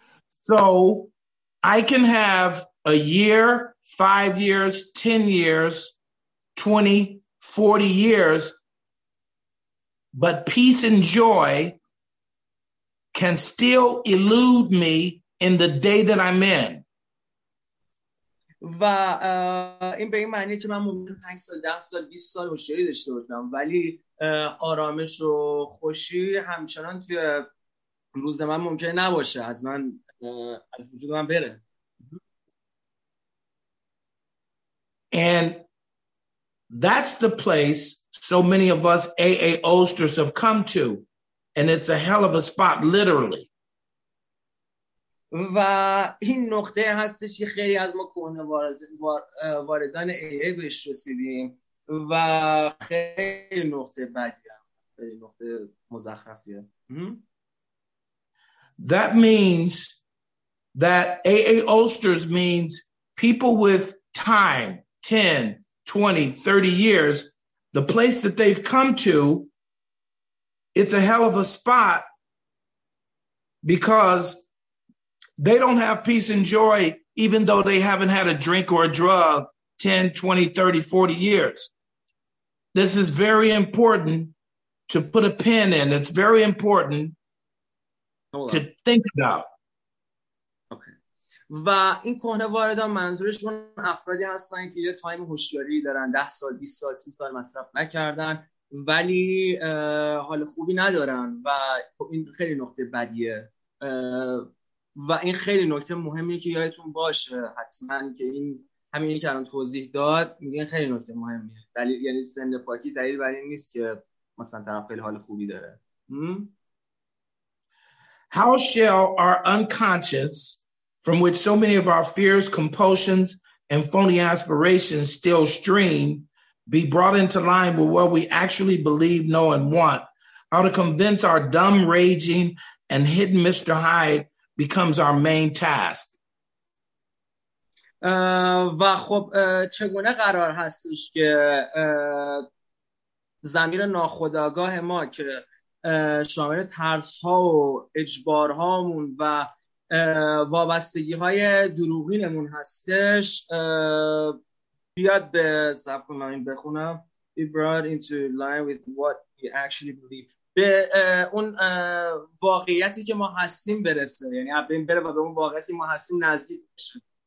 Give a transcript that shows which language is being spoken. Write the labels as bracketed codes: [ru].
[en] So I can have a year, 5 years, 10 years, 20, 40 years, but peace and joy can still elude me in the day that I'm in. [fa] و این به این معنی که من ممکن 5 سال، 10 سال، 20 سال هوشیاری داشته باشم، ولی آرامش و خوشی همچنان توی روز من ممکن نباشه، از من از وجود من بره. [en] And that's the place so many of us AA Osters have come to, and it's a hell of a spot, literally. [fa] و این نقطه هستش که خیلی از ما کهنه واردان AA بهش رسیدیم و خیلی نقطه بدیه، خیلی نقطه مزخرفیه. [en] That means that AA Osters means people with time, 10, 20, 30 years, the place that they've come to, it's a hell of a spot because they don't have peace and joy even though they haven't had a drink or a drug 10, 20, 30, 40 years. This is very important to put a pin in. It's very important to think about. [fa] و این کهنه واردان منظورشون افرادی هستن که یه تایم هوشیاری دارن، 10 سال، 20 سال، 30 سال مصرف نکردن ولی حال خوبی ندارن، و این خیلی نقطه بدیه و این خیلی نقطه مهمیه که یادتون باشه حتما، که این همین که الان توضیح داد میگه خیلی نقطه مهمیه. دلیل یعنی سن پاکی دلیل بر این نیست که مثلا طرف خیلی حال خوبی داره. [en] How shall our unconscious, from which so many of our fears, compulsions, and phony aspirations still stream, be brought into line with what we actually believe, know, and want? How to convince our dumb raging and hidden Mr. Hyde becomes our main task. [fa] و خب چگونه قرار هستش که ضمیر ناخودآگاه ما که شامل ترس‌ها و اجبارهامون و وابستگی های دروغینمون هستش بیاد به سب کنم این بخونم [en] be brought into line with what we actually believe، [fa] به اون واقعیتی که ما هستیم برسه، یعنی ابین بره و به اون واقعیتی ما هستیم نزدیک بشه